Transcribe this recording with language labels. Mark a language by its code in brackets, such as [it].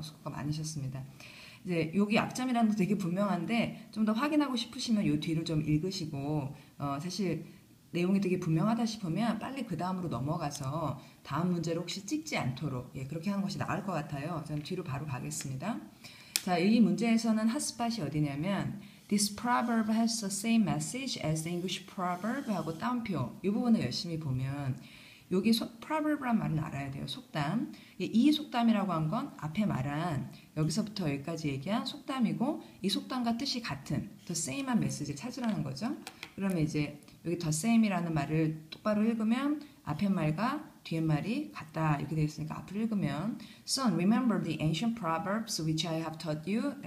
[ko] 수고가 많으셨습니다. 이제 여기 약점이라는 게 되게 분명한데, 좀더 확인하고 싶으시면 요 뒤를 좀 읽으시고, 사실 내용이 되게 분명하다 싶으면 빨리 그 다음으로 넘어가서 다음 문제를 혹시 찍지 않도록, 예, 그렇게 하는 것이 나을 것 같아요. 저는 뒤로 바로 가겠습니다. 자, 이 문제에서는 핫스팟이 어디냐면, [en] This proverb has the same message as the English proverb [ko] 하고 따옴표. 이 부분을 열심히 보면, 여기 proverb란 말은 알아야 돼요. 속담. 이 속담이라고 한건 앞에 말한, 여기서부터 여기까지 얘기한 속담이고, 이 속담과 뜻이 같은, the same한 메시지를 찾으라는 거죠. 그러면 이제, 여기 the same이라는 말을 똑바로 읽으면 앞에 말과 뒤에 말이 같다 이렇게 되어 있으니까 앞을 읽으면 [en] Son, remember the ancient proverbs which I have taught you?